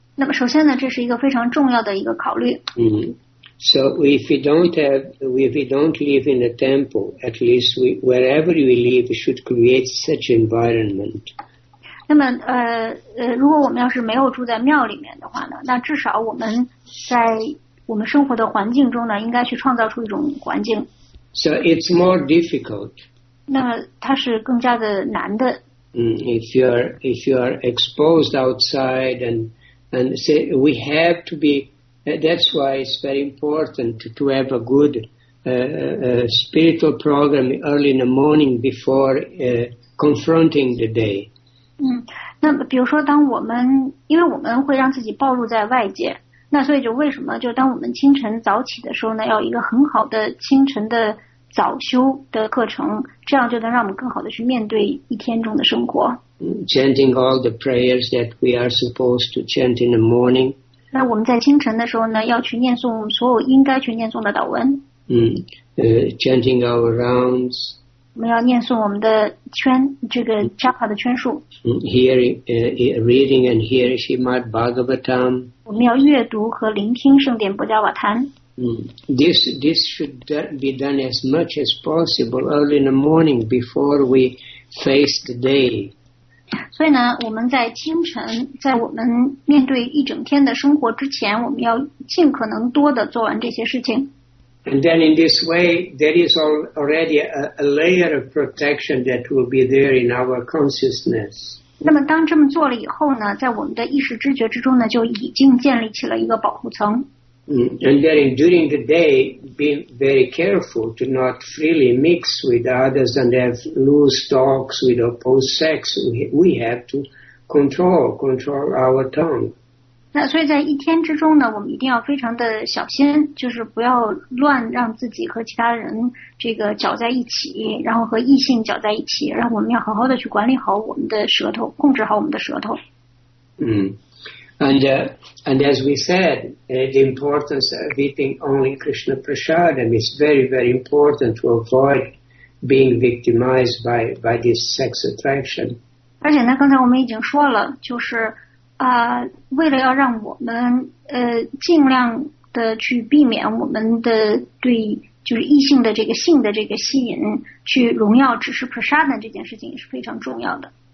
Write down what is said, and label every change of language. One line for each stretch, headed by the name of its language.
Chinese: 那么首先呢，这是一个非常重要的一个考虑。
English: So if we don't live in a temple, at least wherever we live should create such environment.
Chinese: 那么如果我们要是没有住在庙里面的话呢，那至少我们在我们生活的环境中呢，应该去创造出一种环境。
English: So it's more difficult.
Chinese: 那么它是更加的难的。
English: If you are exposed outside and say we have to be. That's why it's very important to have a good spiritual program early in the morning before confronting the day.
Chinese: 那比如说当我们因为我们会让自己暴露在外界，那所以就为什么就当我们清晨早起的时候呢，要一个很好的清晨的早修的课程，这样就能让我们更好的去面对一天中的生活。
English: Chanting all the prayers that we are supposed to chant in the morning.
Chinese: 那我们在清晨的时候呢，要去念诵所有应该去念诵的祷文。
English: Chanting our rounds.
Chinese: 我们要念诵我们的圈，这个 japa 的圈数。
English: Reading and hearing Srimad Bhagavatam.
Chinese: 我们要阅读和聆听圣典博迦瓦坛。
English: This should be done as much as possible early in the morning before we face the day.
Chinese: 所以呢，我们在清晨，在我们面对一整天的生活之前，我们要尽可能多的做完这些事情。
English: And then in this way, there is already a layer of protection that will be there in our consciousness.
Chinese: 那么当这么做了以后呢，在我们的意识知觉之中呢，就已经建立起了一个保护层。
English: And then during the day, be very careful to not freely mix with others and have loose talks with opposed sex. We have to control our tongue.
Chinese: 那所以在一天之中呢，我们一定要非常的小心，就是不要乱让自己和其他人这个搅在一起，然后和异性搅在一起。然后我们要好好的去管理好我们的舌头，控制好我们的舌头。
English: And as we said, the importance of eating only Krishna prasadam is very, very important to avoid being victimized by this sex attraction.
Chinese: 而且呢，刚才我们已经说了，就是为了要让我们尽量的去避免我们的对就是异性的这个性的这个吸引，去荣耀只是 prasadam 这件事情也是非常重要的。